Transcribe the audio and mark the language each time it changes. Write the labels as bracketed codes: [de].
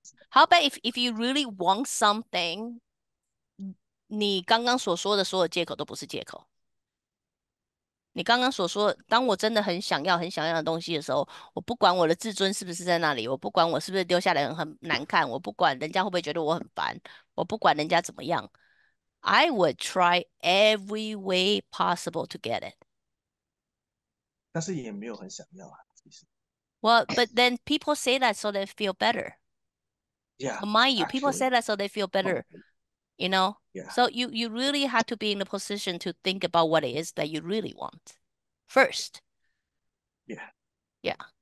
[en] How about if you really want something, [zh] 你刚刚所说的所有借口都不是借口。你刚刚所说，当我真的很想要很想要的东西的时候，我不管我的自尊是不是在那里，我不管我是不是丢下来很难看，我不管人家会不会觉得我很烦，我不管人家怎么样。 [en] I would try every way possible to get it. [zh] 但是也没有很想要啊，其实。 [en] Well, but then people say that so they feel better. Yeah, Mind you, people actually. say that so they feel better, you know? Yeah. So you really have to be in a position to think about what it is that you really want first. Yeah. Yeah.